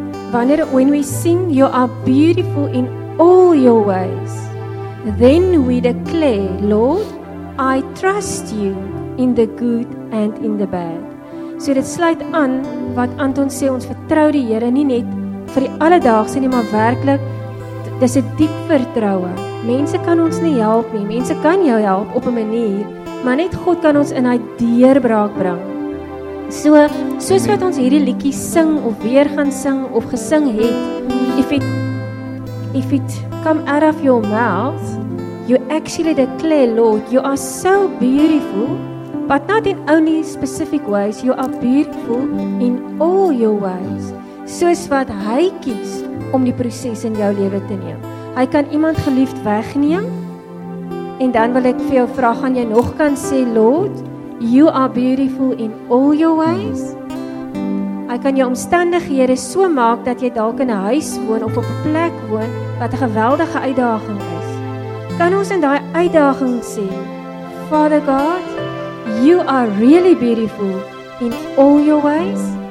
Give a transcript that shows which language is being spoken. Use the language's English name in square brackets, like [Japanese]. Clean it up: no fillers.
[English] Wanneer when we sing you are beautiful in all your ways, then we declare, Lord, I trust you in the good and in the bad. [Afrikaans] So dit sluit aan wat Anton sê, ons vertrou die Here nie net vir die alledaagse nie, maar werklik dis 'n diep vertroue. Mense kan ons nie help nie. Mense kan jou help op 'n manier, maar net God kan ons in hy deurbraak bring. So, soos wat ons hierdie liedjie sing of weer gaan sing of gesing het, [English] if it come out of your mouth, you actually declare, Lord, you are so beautiful, but not in only specific ways, you are beautiful in all your ways. [Afrikaans] Soos wat hy kies om die proses in jou lewe te neem. Hy kan iemand geliefd wegneem, en dan wil ek vir jou vra, gaan jy nog kan sê, [English] Lord, you are beautiful in all your ways? [Afrikaans] Hy kan jou omstandighede so maak dat jy dalk in 'n huis woon of op 'n plek woon wat 'n geweldige uitdaging is. Kan ons in daai uitdaging sê, [English] Father God, you are really beautiful in all your ways?